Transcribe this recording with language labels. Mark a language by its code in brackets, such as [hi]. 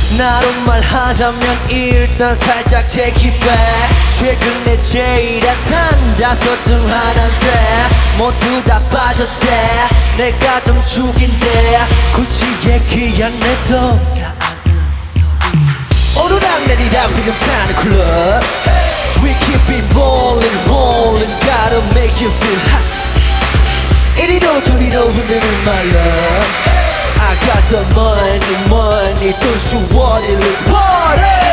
[ko] 나로 말하자면 일단 살짝 [en] take it back. [ko] 최근에 제일 핫한 다섯 중 하나인데 모두 다 빠졌대. 내가 좀 죽인데 굳이 얘기 안 해도 다 아는 소리. 오르락 내리락 지금 타는 클럽. [en] We keep it ballin' ballin' gotta make you feel hot. [ko] 이리로 저리로 흔드는 [en] my love. I got the money, money, don't you worry, let's party!